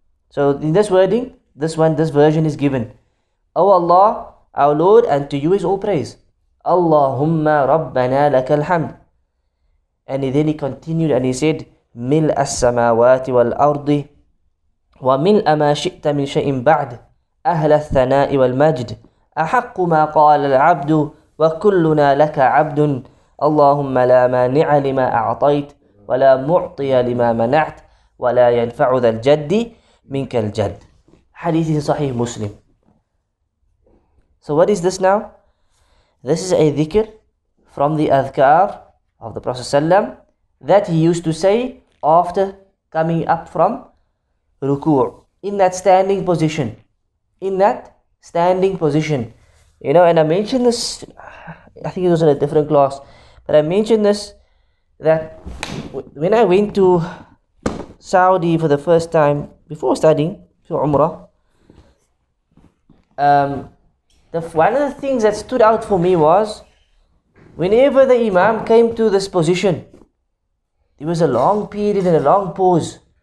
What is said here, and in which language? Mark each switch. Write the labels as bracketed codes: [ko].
[en] So in this wording, this one, this version is given. O Allah, our Lord, and to you is all praise. [ar] اللَّهُمَّ رَبَّنَا لَكَ الْحَمْدُ. [en] And then he continued and he said, [ar] مِلْأَ السَّمَاوَاتِ وَالْأَرْضِ وَمِلْأَ مَا شِئْتَ مِنْ شَيْءٍ بَعْدٍ أهل الثناء والمجد أحق ما قال العبد وكلنا لك عبد اللهم لا مانع لما أعطيت ولا معطي لما منعت ولا ينفع ذا الجد منك الجد. حديث صحيح مسلم. [en] So what is this now? This is a dhikr from the adhkar of the Prophet sallam that he used to say after coming up from ruku', in that standing position. In that standing position. You know, and I mentioned this, I think it was in a different class, but I mentioned this, that when I went to Saudi for the first time, before studying, to Umrah, one of the things that stood out for me was, whenever the Imam came to this position, it was a long period and a long pause.